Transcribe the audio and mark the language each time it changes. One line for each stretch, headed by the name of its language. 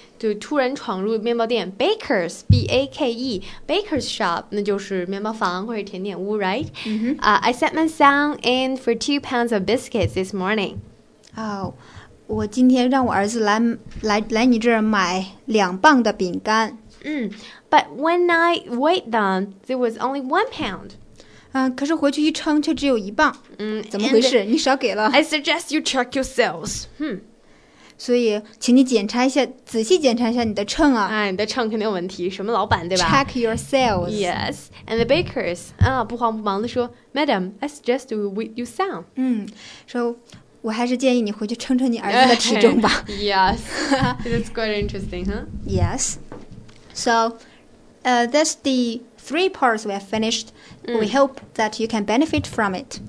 Chinese: 对，突然闯入面包店 ， bakers b a k e bakers shop，那就是面包房或者甜点屋 ， right？
English: I set my son in for 2 pounds of biscuits this morning。
Chinese: 哦，我今天让我儿子来你这儿买2磅的饼干。
English: But when I weighed them, there was only 1 pound。
Chinese: 可是回去一称却只有1磅。怎么回事？你少给了。
English: I suggest you check yourselves。
Chinese: 所以请你检查一下，仔细检查一下你的秤啊。哎，你的秤肯定有问题，什么老板对吧？
English: Check yourselves. Yes, and the bakers. 不慌不忙地说， Madam, I suggest you weigh your son.
Chinese: 说我还是建议你回去称称你儿子的体重吧。
English: Yes, that's quite interesting, huh? Yes. So, that's the three parts we have finished. We hope that you can benefit from it.